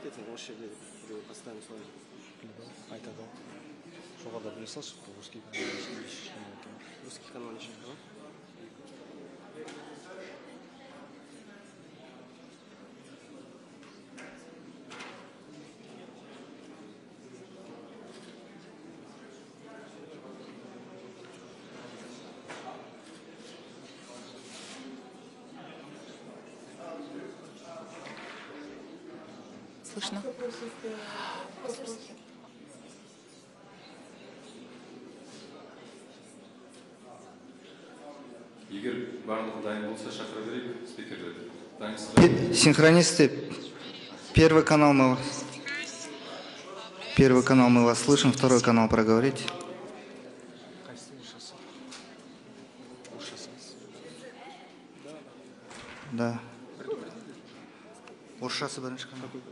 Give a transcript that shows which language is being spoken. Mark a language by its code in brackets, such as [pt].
[ru] Вообще, где-то останется. Айтадо. [kk] Жоғарда біле салшы, русский канал ішін. Русский канал ішін, да? [ru] Слышно? [kk] Егер барлығы дайын болса, шақыра берейік спикерлерді. [ru] Синхронисты, первый канал мы вас... Первый канал мы вас слышим, второй канал проговорите. [kk] Да. Уршасы бірінші канал.